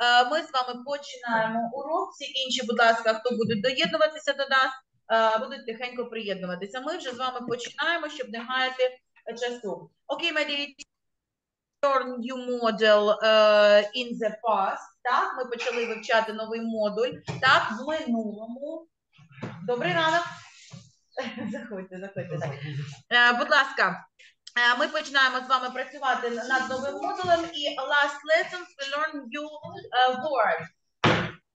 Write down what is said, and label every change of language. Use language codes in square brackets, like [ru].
[uk] Ми з вами починаємо урок. Всі інші, будь ласка, хто буде доєднуватися до нас, будуть тихенько приєднуватися. Ми вже з вами починаємо, щоб не гаяти часу. [en] Okay, my dear children, new model in the past. [uk] Так, ми почали вивчати новий модуль. Так, в минулому. Добрий ранок. Заходьте, заходьте. Будь ласка, ми починаємо з вами працювати над новим модулем. І [en] last lessons we learn new word.